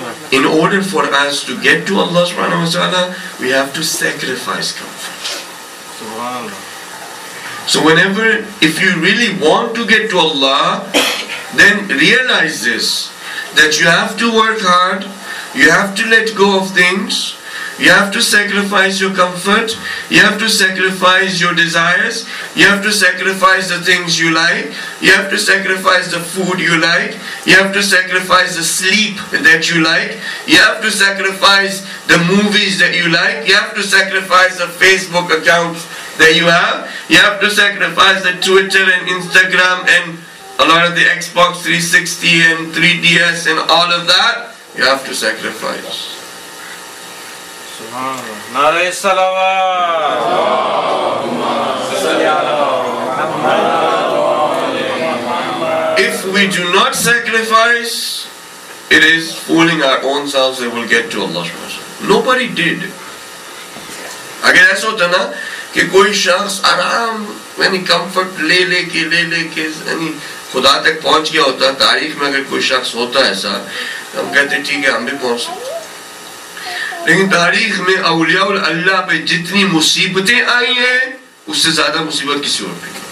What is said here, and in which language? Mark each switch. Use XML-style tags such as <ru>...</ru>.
<en>In order for us to get to اللہ سبحانہ وتعالیٰ we have to sacrifice comfort. So whenever if you really want to get to اللہ then realize this that you have to work hard. You have to let go of things. You have to sacrifice your comfort. You have to sacrifice your desires. You have to sacrifice the things you like. You have to sacrifice the food you like. You have to sacrifice the sleep that you like. You have to sacrifice the movies that you like. You have to sacrifice the Facebook accounts that you have. You have to sacrifice the Twitter and Instagram and a lot of the Xbox 360 and 3DS and all of that. You have to sacrifice.</en> <ar>Subhanallah.</ar> <ur>Nare salawat.</ur> <ar>Allahumma salli ala Muhammad.</ar> <en>If we do not sacrifice, it is fooling our own selves that we'll get to Allah subhanahu wa ta'ala. Nobody did.</en> <ur>Agar aisa hota na ki koi shakhs aaram yani comfort le ke yani خدا تک پہنچ گیا ہوتا, تاریخ میں اگر کوئی شخص ہوتا ایسا, ہم کہتے ٹھیک ہے ہم بھی پہنچ سکتے. لیکن تاریخ میں اولیاء اللہ پہ جتنی مصیبتیں آئی ہیں اس سے زیادہ مصیبت کسی اور پہ.</ur>